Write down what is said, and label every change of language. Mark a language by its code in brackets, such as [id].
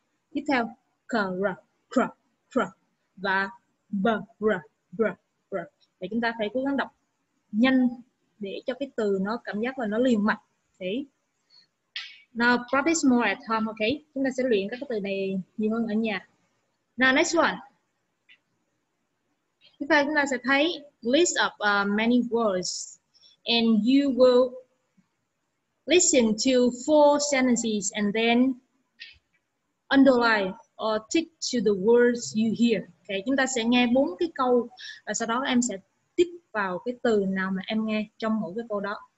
[vi] Tiếp theo k r kr kr và b r br br. Thì chúng ta phải cố gắng đọc nhanh để cho cái từ nó cảm giác là nó liền mạch. Okay. [en] Now practice more at home, okay? [vi] Chúng ta sẽ luyện các cái từ này nhiều hơn ở nhà. [en] Now next one. [vi] Tiếp theo chúng ta sẽ thấy [en] list of many words and you will listen to four sentences and then underline or tick to the words you hear. [vi] Okay, chúng ta sẽ nghe bốn cái câu và sau đó em sẽ tích vào cái từ nào mà em nghe trong mỗi cái câu đó.